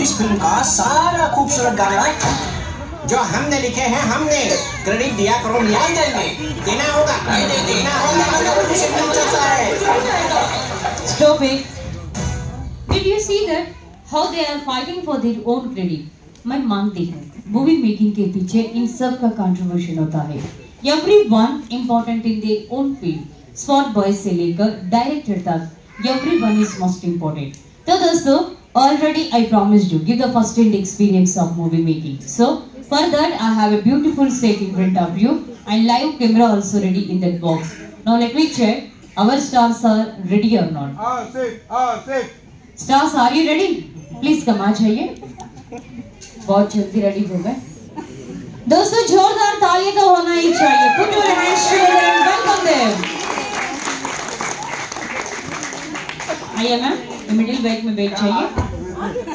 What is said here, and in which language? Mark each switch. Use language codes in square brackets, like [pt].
[hi] इस फिल्म का सारा खूबसूरत गाना जो हमने लिखे हैं हमने क्रेडिट दिया करो न्याय देंगे देना होगा देना होगा। [en] Stop it. Did you see that how they are fighting for their own credit? [hi] मैं मानती हूं मूवी मेकिंग के पीछे इन सब का कंट्रीब्यूशन होता है। [en] Everyone important in their own field. Spot boys से लेकर director तक everyone is most important. [hi] तो दोस्तों [en] already I promised you give the first hand experience of movie making. So for that I have a beautiful set in front of you and live camera also ready in that box. Now let me check our stars are ready or not. Set. Stars are you ready? Please come [hi] आ जाइए। बहुत जल्दी ready हो गए। दोस्तों जोरदार तालियों का होना ही चाहिए। [en] Put your hands together and welcome them. [hi] आइए मैम मिडिल बैक में बैठ जाइए।